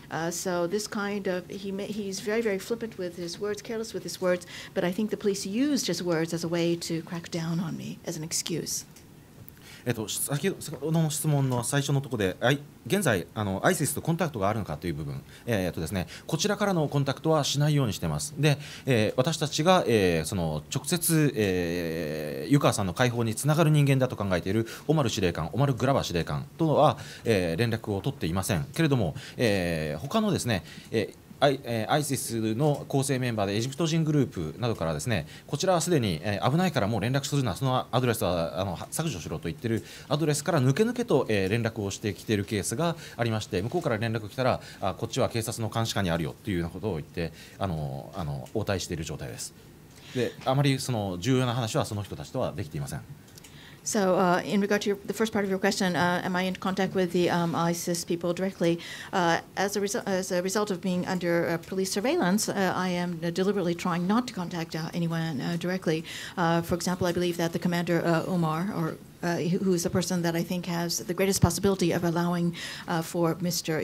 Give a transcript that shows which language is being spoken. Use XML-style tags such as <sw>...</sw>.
<en>So this kind of, he's very, very flippant with his words, careless with his words, but I think the police used his words as a way to crack down on me, as an excuse.</en> <ja>先ほどの質問の最初のところで、現在ISIS とコンタクトがあるのかという部分、ですね、こちらからのコンタクトはしないようにしています。で、私たちが、その直接、湯川さんの解放につながる人間だと考えているオマル司令官、オマル・グラバ司令官とは、連絡を取っていませんけれども、他のですね、ISIS の構成メンバーでエジプト人グループなどからですね、こちらはすでに危ないからもう連絡するな、そのアドレスは削除しろと言っているアドレスから抜け抜けと連絡をしてきているケースがありまして、向こうから連絡が来たらこっちは警察の監視下にあるよというようなことを言って応対している状態です。で、あまりその重要な話はその人たちとはできていません。</ja> <en>So in regard to the first part of your question, am I in contact with the ISIS people directly? As a result of being under police surveillance, I am deliberately trying not to contact anyone directly. For example, I believe that the commander Omar, or who is the person that I think has the greatest possibility of allowing for Mr.</en>